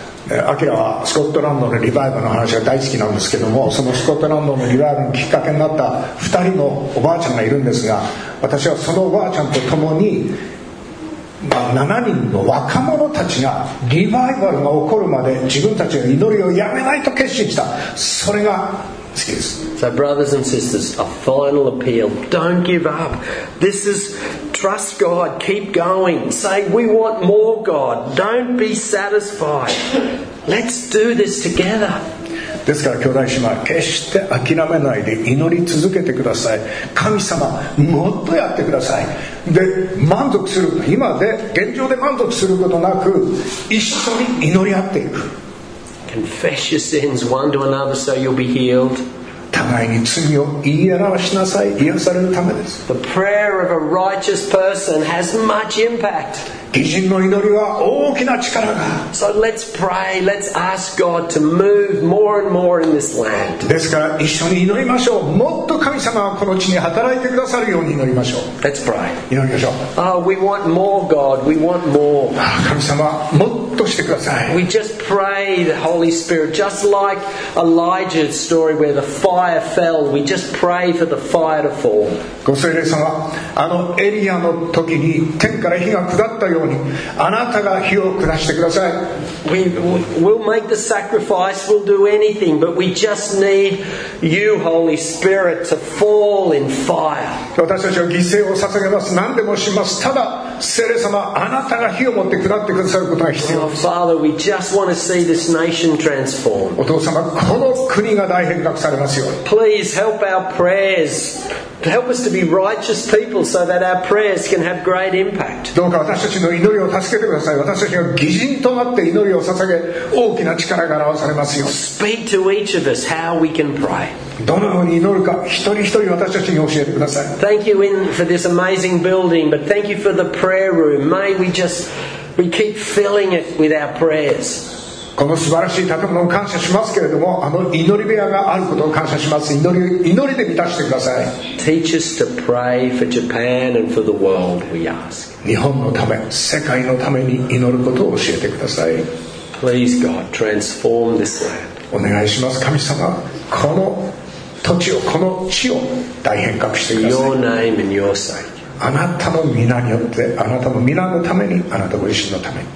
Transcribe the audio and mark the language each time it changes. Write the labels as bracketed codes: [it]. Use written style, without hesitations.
[ja] Akira はスコットランドのリバイバルの話が大好きなんですけども、そのスコットランドのリバイバルのきっかけになった2人のおばあちゃんがいるんですが、私はそのおばあちゃんと共に、まあ、7人の若者たちがリバイバルが起こるまで自分たちが祈りをやめないと決心した。それが好きです。 [en] So brothers and sisters, a final appeal. Don't give up. This is trust God. Keep going. Say we want more God. Don't be satisfied. Let's do this together. [ja] ですから兄弟姉妹、決して諦めないで祈り続けてください。神様もっとやってください。で満足する、今で現状で満足することなく一緒に祈り合っていく。 [en] Confess your sins one to another so you'll be healed. [ja] 互いに罪を言い表しなさい、癒されるためです。 [en] The prayer of a righteous person has much impact. [ja] 義人の祈りは大きな力がある。 [en] So let's pray, let's ask God to move more and more in this land. [ja] ですから一緒に祈りましょう。もっと神様がこの地に働いてくださるように祈りましょう。 [en] Let's pray. [ja] 祈りましょう。 [en] Oh, we want more, God. We want more. [ja] 神様、もっとしてください。 [en] We just pray the Holy Spirit, just like Elijah's story where the fire fell. We just pray for the fire to fall. [ja] ご聖霊様、あのエリアの時に天から火が下ったようにあなたが火を下してください。 [en] We'll make the sacrifice, we'll do anything, but we just need you, Holy Spirit, to fall in fire. [ja] 私たちは犠牲を捧げます。何でもします。ただ聖霊様、あなたが火を持って下ってくださることが必要です。 [en] Oh, Father, we just want to see this nation transformed. [ja] お父様、この国が大変革されますように。 [en] Please help our prayers. Help us to be righteous people so that our prayers can have great impact. [ja] どうか私たちの祈りを助けてください。私たちが義人となって祈りを捧げ、大きな力が表されますよ。 [en] Speak to each of us how we can pray. [ja] どのように祈るか、一人一人私たちに教えてください。 [en] Thank you for this amazing building, but thank you for the prayer room. May we just we keep filling it with our prayers. [ja] この素晴らしい建物を感謝しますけれども、あの祈り部屋があることを感謝します。祈りで満たしてください。 [en] Teach us to pray for Japan and for the world, we ask. [ja] 日本のため、世界のために祈ることを教えてください。 [en] Please God, transform this land. [ja] お願いします。神様、この土地を、この地を大変革してください。 [en] Your name and your sake. [ja] あなたの皆によって、あなたの皆のために、あなたご自身のために。